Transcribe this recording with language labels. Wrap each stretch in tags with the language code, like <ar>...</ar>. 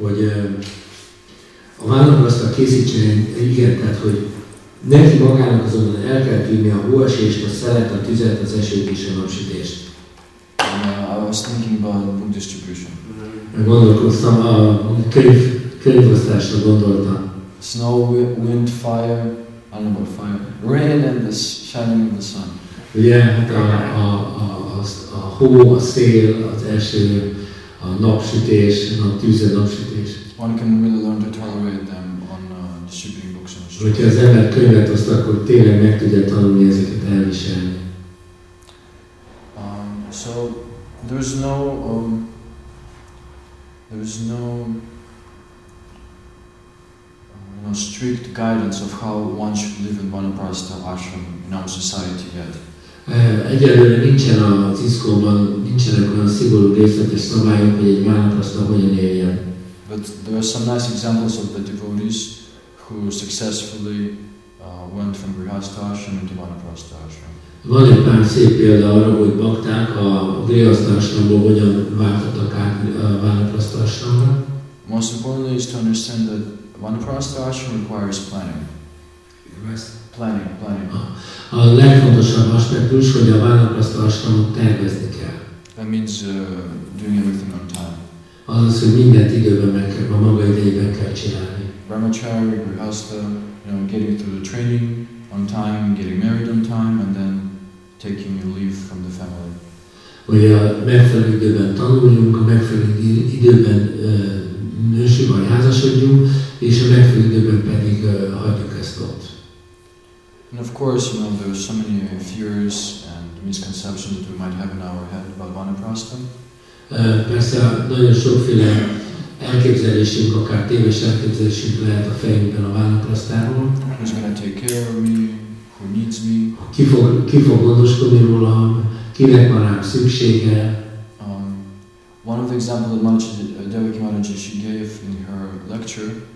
<hu>Hogy a vállalat azt a készítsen egy ígértet, hogy neki magának azonnal el kell tűnni a hóesést, a szelet, a tüzet, az esőt és a napsütést.</hu> <en>I was thinking about book distribution.</en> <hu>Gondolkoztam a könyvosztásra gondoltam.</hu> <en>Snow, wind, fire, animal fire, rain and the shining of the sun.</en> <hu>Ugye, hát a hó, a szél, az eső, a napsütés, a tűz, a napsütés.</hu> <en>One can really learn to tolerate them on distributing books and stuff.</en> <hu>Hogyha az ember könyvet oszt, akkor tényleg meg tudja tanulni ezeket elviselni.</hu> <en>So there is no strict guidance of how one should live in vanaprastha ashram in our society yet.</en> <hu>Egyelőre nincsen az ISKCON-ban, nincsenek olyan szigorú részletes szabályok, hogy egy vanaprastha hogyan éljen.</hu> <en>But there are some nice examples of the devotees who successfully went from grihastha ashram into vanaprastha ashram.</en> <hu>Van egy pár szép példa arra, hogy bakták a grihastha ashramból hogyan váltottak át vanaprastha ashramra.</hu> <en>Most importantly is to understand that vanaprastha ashram requires planning. Planning.</en> <hu>A legfontosabb aspektus, hogy a vanaprastha ashramot tervezni kell.</hu> <en>That means doing everything on time.</en> <hu>Azaz, hogy mindent időben meg kell, a maga idejében kell csinálni.</hu> <en>Brahmachari, grihastha, getting through the training on time, getting married on time, and then taking your leave from the family.</en> <hu>Hogy a megfelelő időben tanuljunk, a megfelelő időben nősünk vagy házasodjunk, és a megfelelő időben pedig hagyjuk ezt ott.</hu> <en>And of course, there are so many fears and misconceptions that we might have in our head about vanaprastha.</en> <hu>Persze nagyon sokféle elképzelésünk, akár téves elképzelésünk lehet a fejünkben a vanaprasztáról.</hu> <en>Who's gonna take care of me? Who needs me?</en> <hu>Ki fog gondoskodni rólam? Kinek van rám szüksége?</hu> <en>One of the examples that Devaki Mataji she gave in her lecture.</en>